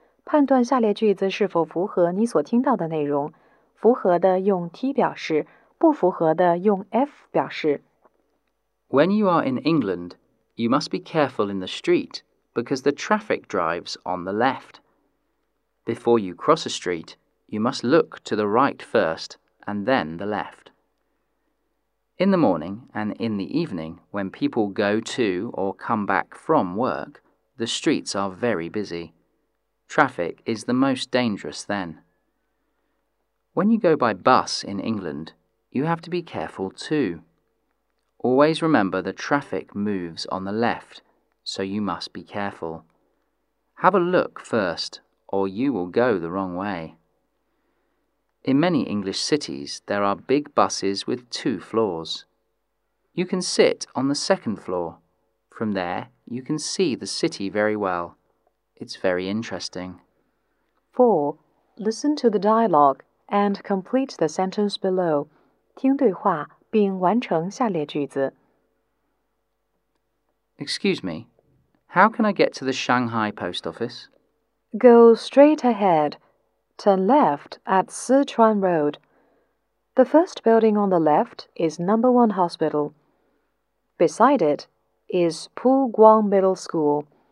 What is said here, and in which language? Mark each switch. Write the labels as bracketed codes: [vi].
[zh] 判断下列句子是否符合你所听到的内容。符合的用 T 表示，不符合的用 F 表示。 [en] When you are in England, you must be careful in the street because the traffic drives on the left. Before you cross a street, you must look to the right first and then the left. In the morning and in the evening, when people go to or come back from work, the streets are very busy. Traffic is the most dangerous then. When you go by bus in England, you have to be careful too. Always remember the traffic moves on the left, so you must be careful. Have a look first, or you will go the wrong way. In many English cities, there are big buses with 2 floors. You can sit on the 2nd floor. From there, you can see the city very well. It's very interesting. 4. Listen to the dialogue and complete the sentence below. [zh] 听对话并完成下列句子。 [en] Excuse me, how can I get to the Shanghai post office? Go straight ahead. Turn left at Sichuan Road. The first building on the left is No. 1 Hospital. Beside it is Pu Guang Middle School.